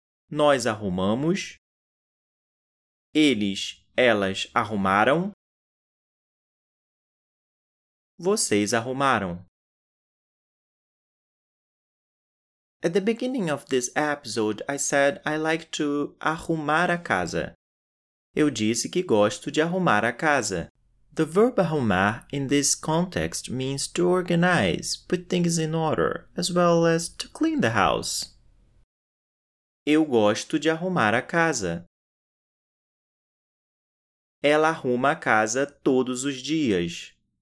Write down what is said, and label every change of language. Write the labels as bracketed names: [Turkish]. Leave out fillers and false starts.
[Portuguese] Nós arrumamos. Eles, elas arrumaram. Vocês arrumaram. [English] At the beginning of this episode, I said I like to [Portuguese] arrumar a casa. Eu disse que gosto de arrumar a casa. [English] The verb arrumar in this context means to organize, put things in order, as well as to clean the house. [Portuguese] Eu gosto de arrumar a casa. Ela arruma a casa todos os dias.